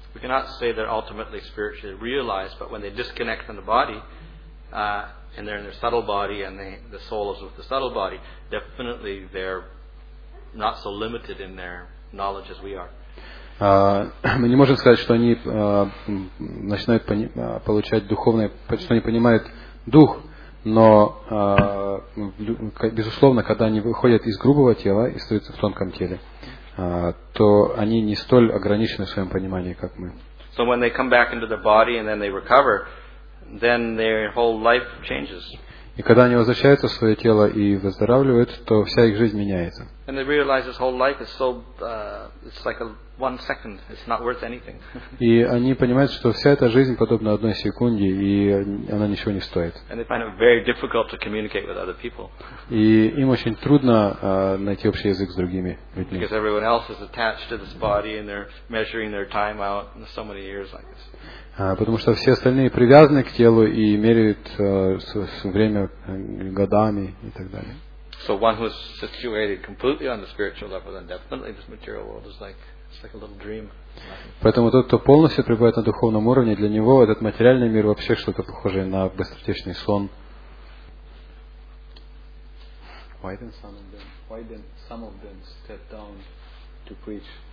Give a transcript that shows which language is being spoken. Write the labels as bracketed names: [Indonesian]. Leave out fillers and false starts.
[English] We cannot say they're ultimately spiritually realized, but when they disconnect from the body, and they're in their subtle body, and the soul is with the subtle body, definitely they're not so limited in their knowledge as we are. [Russian] Мы не можем сказать, что они начинают получать духовное, что они понимают дух, но безусловно, когда они выходят из грубого тела и остаются в тонком теле, то они не столь ограничены в своем понимании, как мы. [English] So when they come back into their body and then they recover, then their whole life changes. [Russian] И когда они возвращаются в свое тело и выздоравливают, то вся их жизнь меняется. [English] And they realize this whole life is so it's like a one second, it's not worth anything. [Russian] И они понимают, что вся эта жизнь подобна одной секунде, и она ничего не стоит. [English] And they find it very difficult to communicate with other people. [Russian] И им очень трудно найти общий язык с другими людьми. [English] Because everyone else is attached to this body and they're measuring their time out in so many years like this. [Russian] Потому что все остальные привязаны к телу и меряют время годами и так далее. [English] So one who is situated completely on the spiritual level, then definitely this material world is like it's like a little dream. [Russian] Поэтому тот, кто полностью пребывает на духовном уровне, для него этот материальный мир вообще что-то похожее на быстротечный сон. [English] Why then some of them step down to preach?